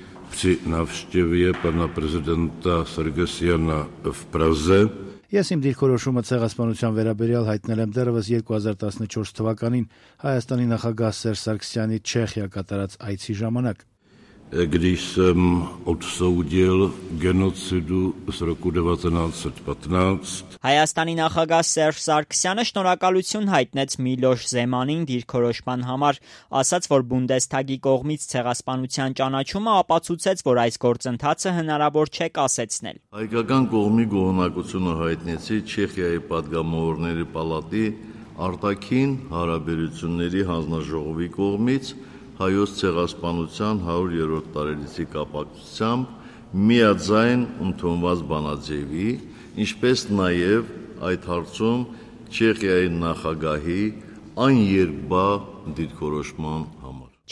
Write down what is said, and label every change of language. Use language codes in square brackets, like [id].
[cs] Při návštěvě pana prezidenta Sargsyana v Praze. [hy] Ես իմ դիրքորոշումը ցեղասպանության վերաբերյալ հայտնել եմ դեռևս 2014 թվականին Հայաստանի նախագահ Սերժ Սարգսյանի Չեխիա կատարած այցի ժամանակ. [cs] Když jsem odsoudil genocidu z roku 1915. [hy] Հայաստանի նախագահ Սերժ Սարգսյանը շնորհակալություն հայտնեց Միլոշ Զեմանին դիրքորոշման համար, ասաց, որ Բունդեսթագի կողմից ցեղասպանության ճանաչումը ապացուցեց, որ այս գործընթացը հնարավոր չէ կասեցնել։ Հայկական կողմի գողնակությունը հայտնեցի Չեխիայի պատգամավորների պալատի արտաքին հարաբերությունների հանձնաժողովի կողմից հայոց ցեղասպանության 100-երորդ տարելիցի կապակցությամբ միաձայն ընդունված բանաձևի, ինչպես նաև այդ հարցում Չեխիայի նախագահի աներկբա դիրքորոշման համար։